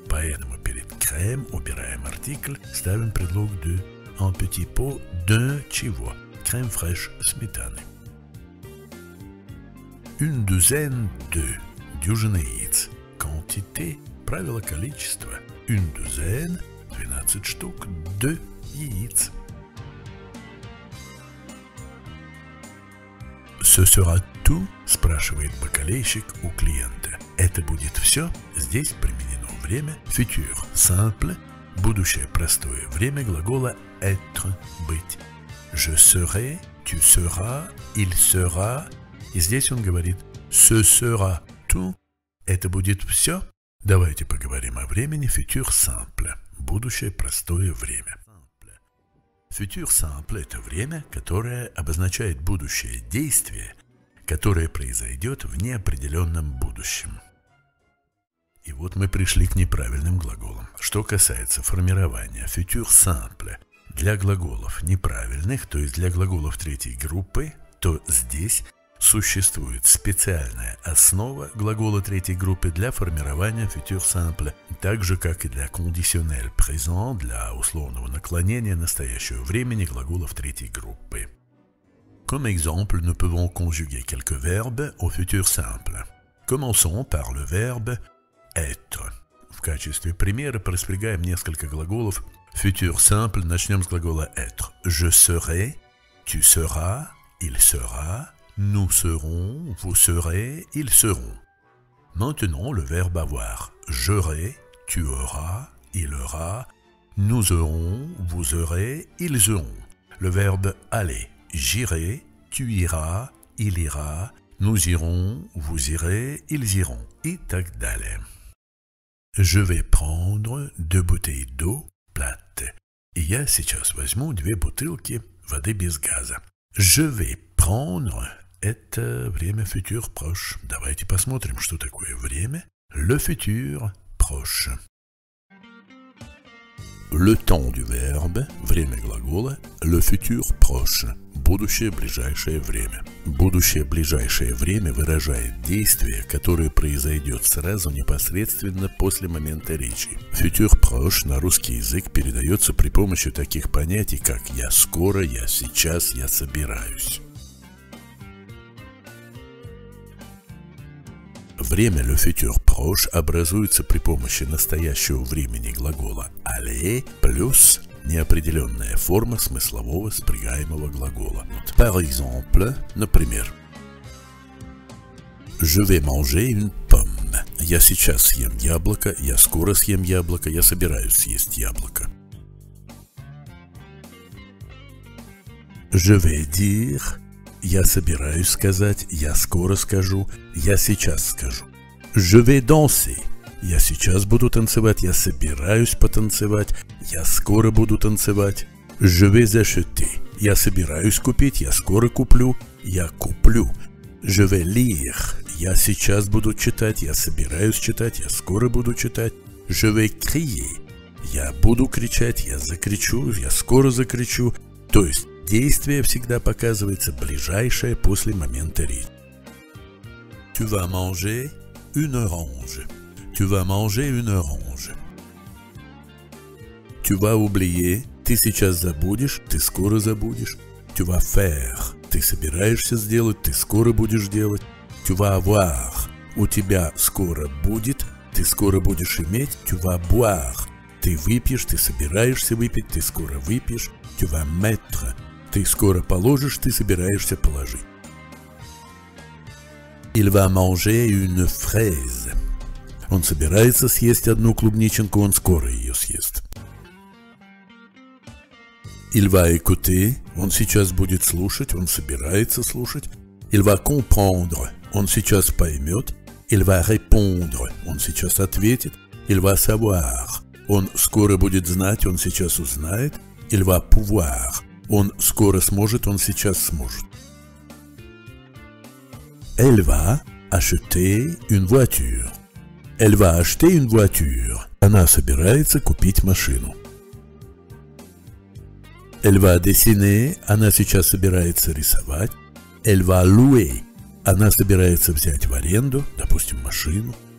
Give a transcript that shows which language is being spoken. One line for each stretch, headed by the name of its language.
Russian: Поэтому перед crème убираем артикль, ставим предлог de.
French: Un petit pot de чего? Crème fraîche – сметаны. Une douzaine de.
Russian: Дюжина яиц. Quantité – правило количества. Une douzaine – 12 штук. De яиц.
French: «Ce sera tout?»
Russian: – спрашивает бокалейщик у клиента. «Это будет все?» – здесь применено время «futur simple» – будущее простое время глагола «être» – «быть».
French: «Je serai», «tu seras», «il sera» –
Russian: и здесь он говорит
French: «ce sera tout?»
Russian: – «это будет все?» Давайте поговорим о времени «futur simple» – будущее простое время. Futur simple – это время, которое обозначает будущее действие, которое произойдет в неопределенном будущем. И вот мы пришли к неправильным глаголам. Что касается формирования futur simple для глаголов неправильных, то есть для глаголов третьей группы, то здесь существует специальная основа глагола третьей группы для формирования futur simple. Так же, как и для conditionnel présent, для условного наклонения настоящего времени глаголов третьей группы.
French: Comme exemple, nous pouvons conjuguer quelques verbes au futur simple. Commençons par le verbe être.
Russian: В качестве примера проспрягаем несколько глаголов. Futur simple, начнем с глагола être.
French: Je serai, tu seras, il sera, nous serons, vous serez, ils seront. Maintenant, le verbe avoir. J'aurai. Tu auras, il aura, nous aurons, vous aurez, ils auront. Le verbe aller, j'irai, tu iras, il ira, nous irons, vous irez, ils iront. Et tac d'aller. Je vais prendre deux bouteilles d'eau plate.
Russian: Я сейчас возьму две бутылки воды без газа.
French: Je vais prendre est время futur proche.
Russian: Давайте посмотрим, что такое время. Le futur proche.
French: le temps du verbe,
Russian: время глагола,
French: le futur proche,
Russian: будущее ближайшее время. Будущее ближайшее время выражает действие, которое произойдет сразу непосредственно после момента речи. Futur proche на русский язык передается при помощи таких понятий, как «я скоро», «я сейчас», «я собираюсь». Время «le futur proche» образуется при помощи настоящего времени глагола «aller» плюс неопределенная форма смыслового спрягаемого глагола.
French: Par exemple,
Russian: например,
French: «Je vais manger une pomme».
Russian: «Я сейчас съем яблоко», «Я скоро съем яблоко», «Я собираюсь съесть яблоко».
French: «Je vais dire»,
Russian: «Я собираюсь сказать», «Я скоро скажу», «Я сейчас скажу».
French: Je vais danser.
Russian: Я сейчас буду танцевать, я собираюсь потанцевать, я скоро буду танцевать.
French: Je vais acheter.
Russian: Я собираюсь купить, я скоро куплю, я куплю.
French: Je vais lire.
Russian: Я сейчас буду читать, я собираюсь читать, я скоро буду читать.
French: Je vais crier.
Russian: Я буду кричать, я закричу, я скоро закричу. То есть действие всегда показывается ближайшее после момента речи.
French: Tu vas manger une orange. Tu vas manger une orange. Tu vas oublier.
Russian: Ты сейчас забудешь. Ты скоро забудешь.
French: Tu vas faire.
Russian: Ты собираешься сделать. Ты скоро будешь делать.
French: Tu vas avoir.
Russian: У тебя скоро будет. Ты скоро будешь иметь.
French: Tu vas boire.
Russian: Ты выпьешь. Ты собираешься выпить. Ты скоро выпьешь.
French: Tu vas mettre.
Russian: Ты скоро положишь. Ты собираешься положить.
French: Il va manger une fraise.
Russian: Он собирается съесть одну клубниченку, он скоро ее съест.
French: Il va écouter.
Russian: Он сейчас будет слушать, он собирается слушать.
French: Il va comprendre.
Russian: Он сейчас поймет.
French: Il va répondre.
Russian: Он сейчас ответит.
French: Il va savoir.
Russian: Он скоро будет знать, он сейчас узнает.
French: Il va pouvoir.
Russian: Он скоро сможет, он сейчас сможет.
French: Elle va acheter une voiture. Elle va acheter une voiture.
Russian: Она собирается купить машину.
French: Elle va dessiner.
Russian: Она сейчас собирается рисовать.
French: Elle va louer.
Russian: Она собирается взять в аренду, допустим, машину.